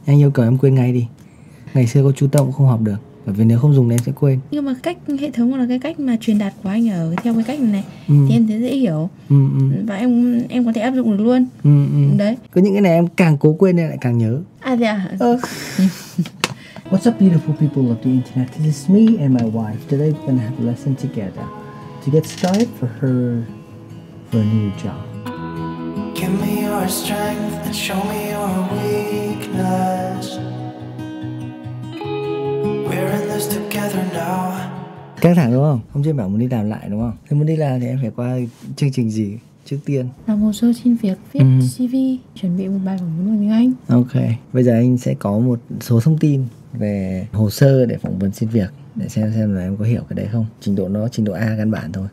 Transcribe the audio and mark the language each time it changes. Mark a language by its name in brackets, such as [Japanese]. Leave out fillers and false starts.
[Vietnamese] Anh yêu cầu em quên ngay đi. Ngày xưa cô chú tâm cũng không học được. Bởi vì nếu không dùng thì em sẽ quên. Nhưng mà cách hệ thống hoặc là cái cách mà truyền đạt của anh ở theo cái cách này thì em thấy dễ hiểu, và em có thể áp dụng được luôn đấy. Có những cái này em càng cố quên lại càng nhớ. À dạ. [English] What's up, beautiful people of the internet? This is me and my wife. Today we're gonna have a lesson together to get started for her for a new job. Give me your strength and show me your weakness. We're in this together now. [Vietnamese] Căng thẳng đúng không? Hôm trước bảo muốn đi làm lại đúng không? Thế muốn đi làm thì em phải qua chương trình gì trước tiên? Làm hồ sơ xin việc, viết CV, chuẩn bị một bài phỏng vấn bằng tiếng Anh. Ok, bây giờ anh sẽ có một số thông tin về hồ sơ để phỏng vấn xin việc. Để xem là em có hiểu cái đấy không? Trình độ nó, trình độ A căn bản thôi.